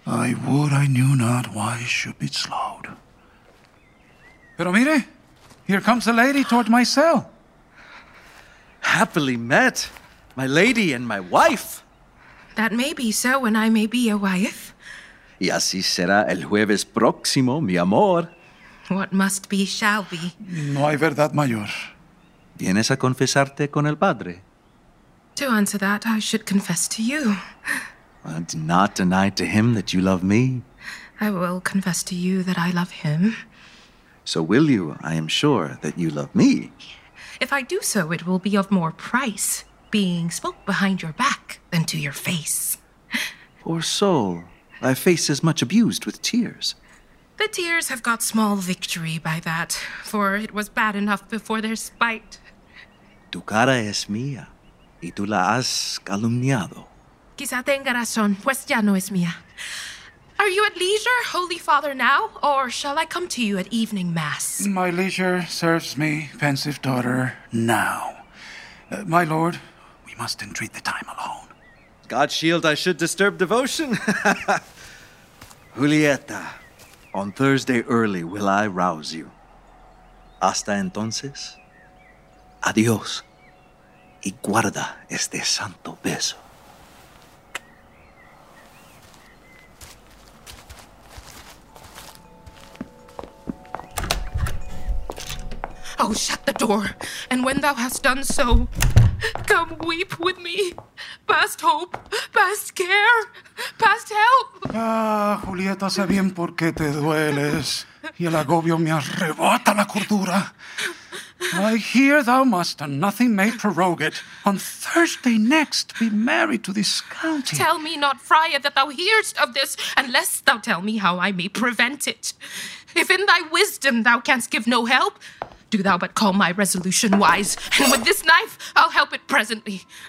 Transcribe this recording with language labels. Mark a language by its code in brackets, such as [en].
[en] I would I knew not why it should be slowed. [es] Pero mire, [en] here comes a lady toward my cell. Happily met, my lady and my wife. That may be so, and I may be a wife. [es] Y así será el jueves próximo, mi amor. [en] What must be, shall be. [es] No hay verdad mayor. ¿Vienes a confesarte con el padre? [en] To answer that, I should confess to you. Well, do not deny to him that you love me. I will confess to you that I love him. So will you, I am sure, that you love me. If I do so, it will be of more price, being spoke behind your back than to your face. Poor soul, thy face is much abused with tears. The tears have got small victory by that, for it was bad enough before their spite. [es] Tu cara es mía. Y tú la has calumniado. Quizá tenga razón, pues ya no es mía. [en] Are you at leisure, Holy Father, now? Or shall I come to you at evening mass? My leisure serves me, pensive daughter, now. My lord, we must entreat the time alone. God shield I should disturb devotion. Julieta, on Thursday early will I rouse you. [es] Hasta entonces, adiós. Y guarda este santo beso. [en] Oh, shut the door. And when thou hast done so, come weep with me. Past hope, past care, past help. [es] Ah, Julieta, sé bien por qué te dueles. Y el agobio me arrebata la cordura. [en] I hear thou must, and nothing may prorogue it. On Thursday next, be married to this county. Tell me not, friar, that thou hearest of this, unless thou tell me how I may prevent it. If in thy wisdom thou canst give no help, do thou but call my resolution wise, and with this knife I'll help it presently.